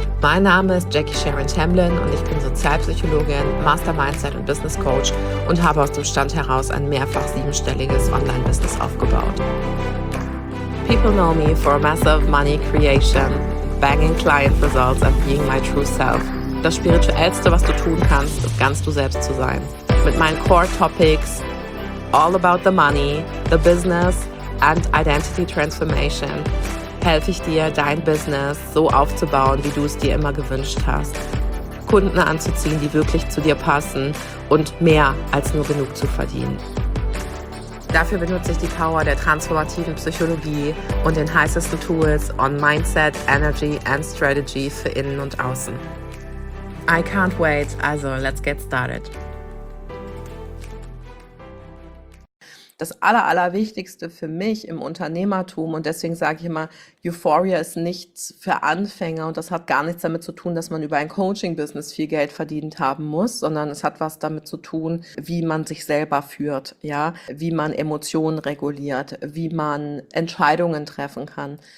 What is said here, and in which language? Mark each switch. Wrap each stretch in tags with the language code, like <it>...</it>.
<de>Mein Name ist Jackie Sharon Tamblyn und ich bin Sozialpsychologin, Master Mindset und Business Coach und habe aus dem Stand heraus ein mehrfach siebenstelliges Online-Business aufgebaut.</de> <en>People know me for massive money creation, banging client results and being my true self.</en> <de>Das Spirituellste, was du tun kannst, ist ganz du selbst zu sein. Mit meinen Core Topics,</de> <en>all about the money, the business, and Identity Transformation</en> <de>helfe ich dir, dein Business so aufzubauen, wie du es dir immer gewünscht hast. Kunden anzuziehen, die wirklich zu dir passen und mehr als nur genug zu verdienen. Dafür benutze ich die Power der transformativen Psychologie und den heißesten Tools</de> <en>on Mindset, Energy and Strategy</en> <de>für innen und außen.</de> <en>I can't wait, also let's get started.</en> <de>Das Allerwichtigste für mich im Unternehmertum, und deswegen sage ich immer, Euphoria ist nichts für Anfänger, und das hat gar nichts damit zu tun, dass man über ein Coaching-Business viel Geld verdient haben muss, sondern es hat was damit zu tun, wie man sich selber führt, ja, wie man Emotionen reguliert, wie man Entscheidungen treffen kann.</de>